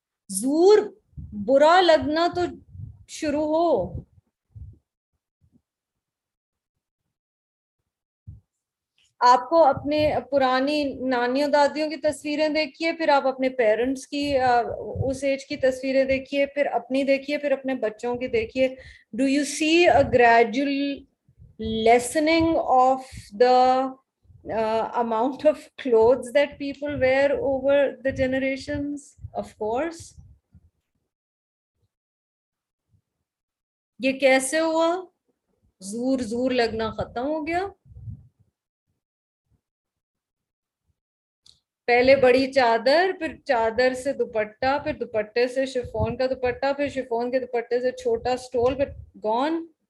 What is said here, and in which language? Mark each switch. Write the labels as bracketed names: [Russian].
[Urdu] زور برا لگنا تو شروع ہو, آپ کو اپنے پرانی نانیوں دادیوں کی تصویریں دیکھیے, پھر آپ اپنے پیرنٹس کی اس ایج کی تصویریں دیکھیے, پھر اپنی دیکھیے, پھر اپنے بچوں کی دیکھیے. [English] Do you see a gradual lessening of the amount of clothes that people wear over the generations? Of course. [Urdu] یہ کیسے ہوا؟ زور زور لگنا ختم ہو گیا. پہلے بڑی چادر, پھر چادر سے دوپٹہ, پھر دوپٹے سے شفون کا دوپٹہ, پھر شفون کے دوپٹے سے چھوٹا سٹول, پھر گون.